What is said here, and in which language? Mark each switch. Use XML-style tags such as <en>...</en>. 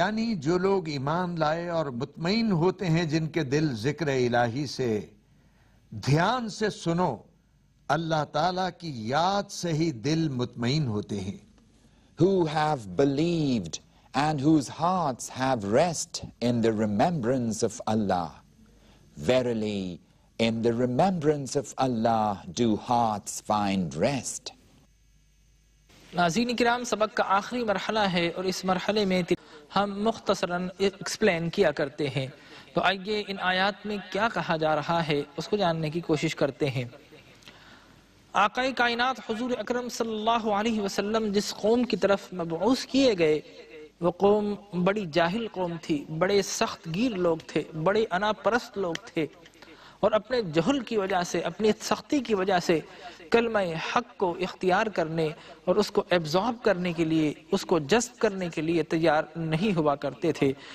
<ur>یعنی جو لوگ ایمان لائے اور مطمئن ہوتے ہیں جن کے دل ذکر الہی سے، دھیان سے سنو، اللہ تعالی کی یاد سے ہی دل مطمئن ہوتے ہیں.</ur> <en>Who have believed and whose hearts have rest in the remembrance of Allah. Verily, in the remembrance of Allah do hearts find rest.</en> <ur>ناظرین کرام، سبق کا آخری مرحلہ ہے اور اس مرحلے میں ہم مختصراً ایکسپلین کیا کرتے ہیں، تو آئیے ان آیات میں کیا کہا جا رہا ہے اس کو جاننے کی کوشش کرتے ہیں. آقا کائنات حضور اکرم صلی اللہ علیہ وسلم جس قوم کی طرف مبعوث کیے گئے، وہ قوم بڑی جاہل قوم تھی، بڑے سخت گیر لوگ تھے، بڑے انا پرست لوگ تھے، اور اپنے جہل کی وجہ سے، اپنی سختی کی وجہ سے کلمہ حق کو اختیار کرنے اور اس کو ایبزارب کرنے کے لیے، اس کو جذب کرنے کے لیے تیار نہیں ہوا کرتے تھے.</ur>